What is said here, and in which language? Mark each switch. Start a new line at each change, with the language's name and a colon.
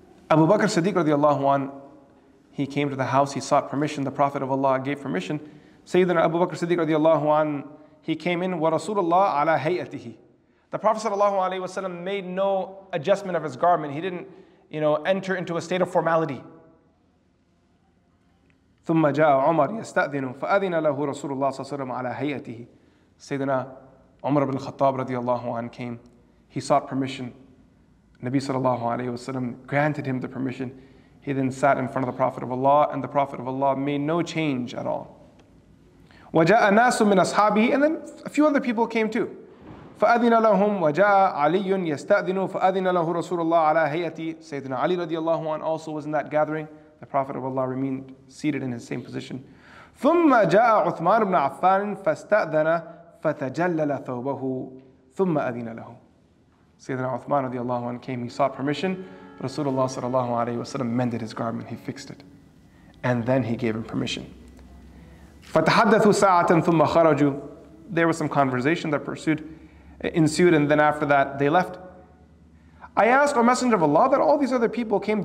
English: Abu Bakr Siddiq radiallahu anhu, he came to the house, he sought permission. The Prophet of Allah gave permission. Sayyidina Abu Bakr Siddiq radiallahu anhu, he came in,
Arabic: wa Rasulullah ala hayatihi.
English: The Prophet sallallahu alayhi wasallam made no adjustment of his garment. He didn't, you know, enter into a state of formality.
Arabic: ثم جاء عمر يستأذن فأذن له رسول الله صلى الله عليه وسلم على هيئته.
English: سيدنا عمر بن الخطاب رضي الله عنه came. He sought permission. Nabi sallallahu alayhi wasallam granted him the permission. He then sat in front of the Prophet of Allah, and the Prophet of Allah made no change at all.
Arabic: وجاء ناس من أصحابه,
English: and then a few other people came too.
Arabic: فأذن لهم وجاء علي يستأذن فأذن له رسول الله على هيئته.
English: سيدنا علي رضي الله عنه also was in that gathering. The Prophet of Allah remained seated in his same position.
Arabic: ثم جاء عثمان بن عفان فاستأذن فتجلل ثوبه ثم أذن له.
English: سيدنا عثمان رضي الله عنه came, he sought permission. Rasulullah sallallahu alayhi wa sallam mended his garment, he fixed it. And then he gave him permission.
Arabic: فَتَحَدَّثُوا سَاعَةً ثُمَّ خَرَجُوا.
English: There was some conversation that ensued, and then after that they left. I asked a messenger of Allah that all these other people came.